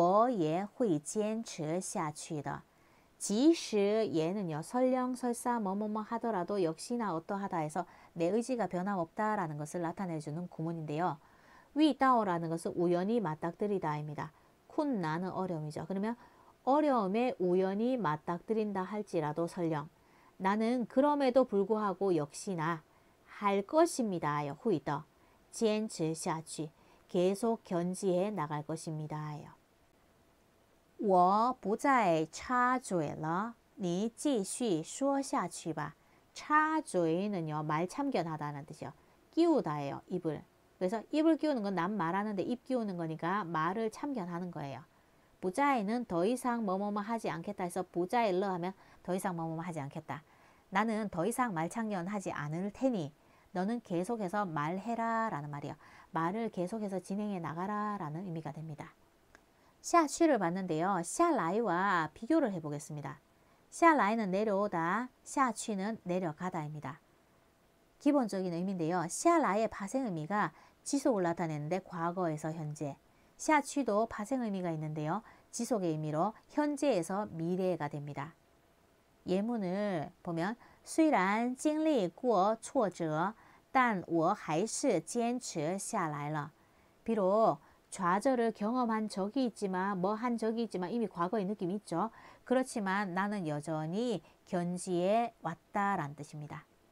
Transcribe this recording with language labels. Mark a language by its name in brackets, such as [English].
[Chinese] 即使遇到困难，我也会坚持下去的。 [Korean] 即使 얘는요, 설령설사 뭐뭐뭐 하더라도 역시나 어떠하다 해서 내 의지가 변함없다라는 것을 나타내주는 구문인데요. 위다오라는 것은 우연히 맞닥뜨리다입니다. 쿤나는 어려움이죠. 그러면 어려움에 우연히 맞닥뜨린다 할지라도 설령 나는 그럼에도 불구하고 역시나 할 것입니다요. 후이더 坚持下去 계속 견지해 나갈 것입니다요. [Chinese] 我不再插嘴了，你继续说下去吧。 [Korean] 插嘴는요, 말 참견하다는 뜻이요. 끼우다예요, 입을. 그래서 입을 끼우는 건남 말하는데 입 끼우는 거니까 말을 참견하는 거예요. 不再는 더 이상 뭐뭐뭐 하지 않겠다 해서 不再了 하면 더 이상 뭐뭐뭐 하지 않겠다. 나는 더 이상 말 참견하지 않을 테니 너는 계속해서 말해라 라는 말이에요. 말을 계속해서 진행해 나가라 라는 의미가 됩니다. 下去를 봤는데요. 下来와 비교를 해보겠습니다. 下来는 내려오다, 下去는 내려가다입니다. 기본적인 의미인데요. 下来의 파생 의미가 지속을 나타내는데 과거에서 현재. 下去도 파생 의미가 있는데요. 지속의 의미로 현재에서 미래가 됩니다. 예문을 보면 [Chinese] 虽然经历过挫折,但我还是坚持下来了. [Korean] 비록 좌절을 경험한 적이 있지만, 뭐한 적이 있지만, 이미 과거의 느낌이 있죠. 그렇지만 나는 여전히 견지해 왔다란 뜻입니다.